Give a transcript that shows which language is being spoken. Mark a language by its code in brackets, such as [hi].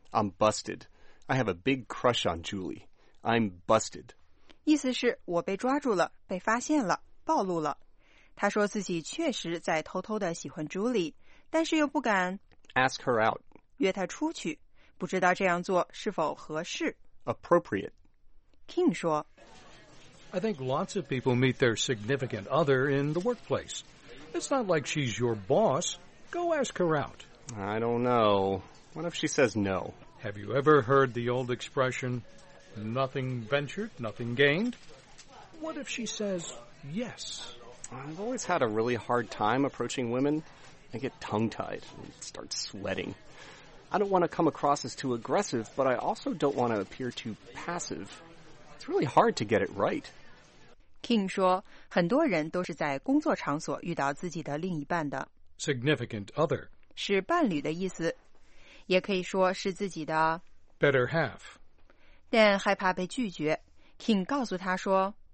[en] I'm busted. I have a big crush on Julie. I'm busted. [zh] 意思是我被抓住了，被发现了，暴露了。他说自己确实在偷偷地喜欢 Julie， 但是又不敢 [en] Ask her out. [zh] 约她出去，不知道这样做是否合适。 [en] Appropriate. [zh] King 说 [en] I think lots of people meet their significant other in the workplace. It's not like she's your boss. Go ask her out. I don't know. What if she says no? Have you ever heard the old expression, nothing ventured, nothing gained? What if she says yes? I've always had a really hard time approaching women. I get tongue-tied and start sweating. I don't want to come across as too aggressive, but I also don't want to appear too passive. It's really hard to get it right. [zh] King 说，很多人都是在工作场所遇到自己的另一半的。 [en] Significant other. [zh] 是伴侣的意思，也可以说是自己的。 [en] Better half. [zh] Dan 害怕被拒绝。King 告诉他说